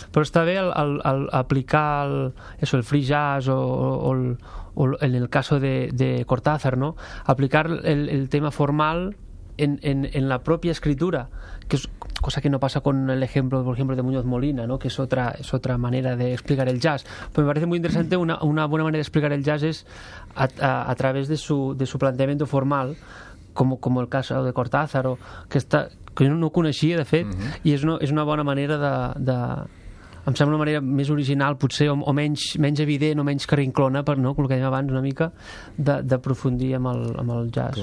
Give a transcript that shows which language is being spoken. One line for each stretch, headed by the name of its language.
Catalan: Però està bé el aplicar el free jazz o
Spanish: en el caso de Cortázar,
Catalan: no?
Spanish: Aplicar el tema formal en la propia escritura, que es cosa que no pasa con el ejemplo, por ejemplo, de Muñoz Molina, ¿no? Que es otra manera de explicar el jazz. Pero me parece muy interesante, una buena manera de explicar el jazz es a través de su planteamiento formal, como el caso de Cortázar,
Catalan: que jo no coneixia, de fet, i és una bona manera de em sembla una manera més original, potser, o menys evident, o menys carrinclona, per, no, com que dèiem abans, una mica, d'aprofundir amb el jazz.